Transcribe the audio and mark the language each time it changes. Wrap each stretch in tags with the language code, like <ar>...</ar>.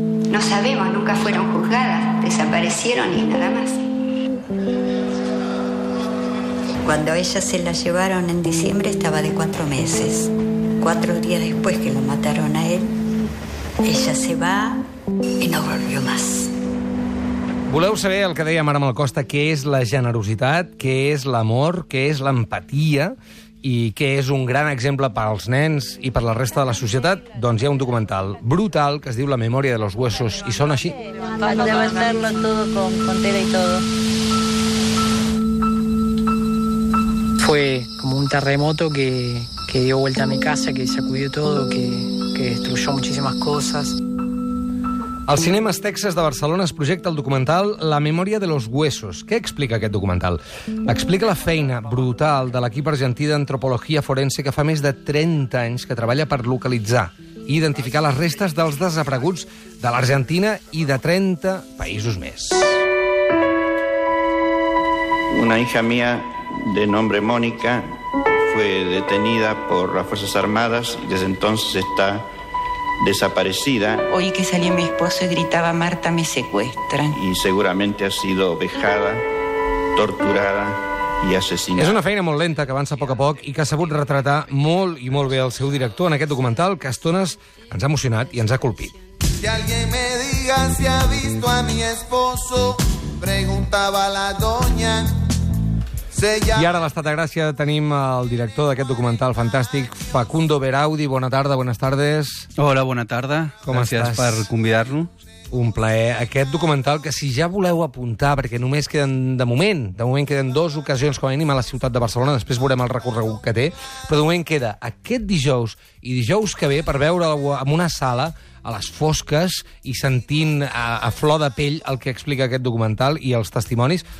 <es>No sabemos, nunca fueron juzgadas. Desaparecieron y nada más. Cuando a ella se la llevaron en diciembre, estaba de 4 meses. 4 días después que lo mataron a él, ella se va y no volvió más.</es> <ca>Voleu saber el que deia Mare Malcosta, què és la generositat, què és l'amor, què és l'empatia i què és un gran exemple per als nens i per la resta de la societat? Doncs hi ha un documental brutal que es diu La memòria de los huesos i sona així.</ca> <es>Van levantarlo todo con contera y todo. Fue como un terremoto que dio vuelta a mi casa, que sacudió todo, que destruyó muchísimas cosas.</es> <ca>Al Cinemes Texas de Barcelona es projecta el documental La memòria de los huesos. Què explica aquest documental? Explica la feina brutal de l'equip argentí d'antropologia forense que fa més de 30 anys que treballa per localitzar i identificar les restes dels desapareguts de l'Argentina i de 30 països més.</ca> <es>Una hija mía de nombre Mónica fue detenida por las Fuerzas Armadas y desde entonces está desaparecida. Oí que salió mi esposo y gritaba: Marta, me secuestran. Y seguramente ha sido vejada, torturada y asesinada.</es> <ca>És una feina molt lenta que avança a poc a poc i que ha sabut retratar molt i molt bé el seu director en aquest documental que a estones ens ha emocionat i ens ha colpit.</ca> <es>Si alguien me diga si ha visto a mi esposo, preguntaba la doña.</es> <ca>I ara a l'Estat de Gràcia tenim el director d'aquest documental fantàstic, Facundo Beraudi. Bona tarda,</ca> <es>buenas tardes.</es> <ca>Hola, bona tarda. Com Gràcies estàs? Per convidar-lo. Un plaer. Aquest documental, que si ja voleu apuntar, perquè només queden, de moment queden 2 ocasions com a mínim a la ciutat de Barcelona, després veurem el recorregut que té, però de moment queda aquest dijous i dijous que ve per veure-ho en una sala a les fosques i sentint a flor de pell el que explica aquest documental i els testimonis.</ca>